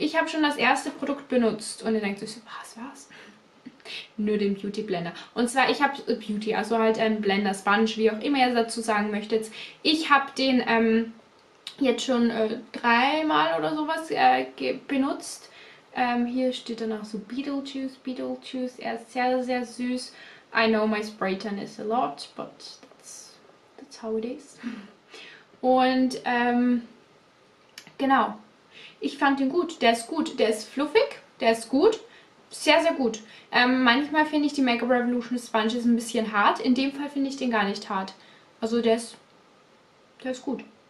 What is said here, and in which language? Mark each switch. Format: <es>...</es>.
<de>Ich habe schon das erste Produkt benutzt und ihr denkt euch so, was? Nur den Beauty Blender. Und zwar, ich habe Beauty, also halt ein Blender Sponge, wie auch immer ihr dazu sagen möchtet. Ich habe den jetzt schon dreimal oder sowas benutzt. Hier steht dann auch so Beetlejuice. Er ist sehr, sehr süß.</de> <en>I know my spray tan is a lot, but that's how it is.</en> <de>Und genau, ich fand den gut. Der ist gut. Der ist fluffig. Der ist gut. Sehr, sehr gut. Manchmal finde ich die Makeup Revolution Sponge ist ein bisschen hart. In dem Fall finde ich den gar nicht hart. Also der ist gut.</de>